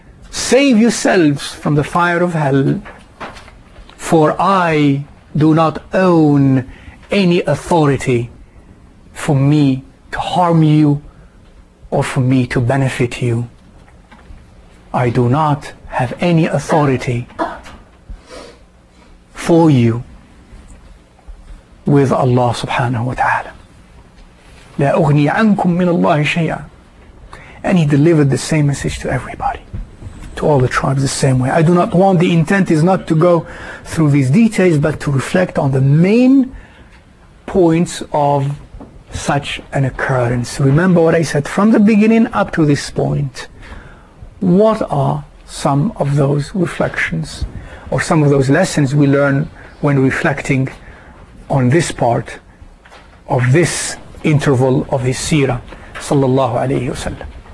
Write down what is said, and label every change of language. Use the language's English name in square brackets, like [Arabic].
[English] Save yourselves from the fire of hell. For I do not own any authority for me to harm you or for me to benefit you. I do not have any authority for you with Allah subhanahu wa ta'ala. [Arabic] لا أغني عنكم من الله شيئا. [English] And he delivered the same message to everybody, to all the tribes the same way. I do not want, the intent is not to go through these details, but to reflect on the main points of such an occurrence. Remember what I said from the beginning up to this point. What are some of those reflections, or some of those lessons we learn when reflecting on this part of this interval of his seerah, sallallahu alayhi wa sallam?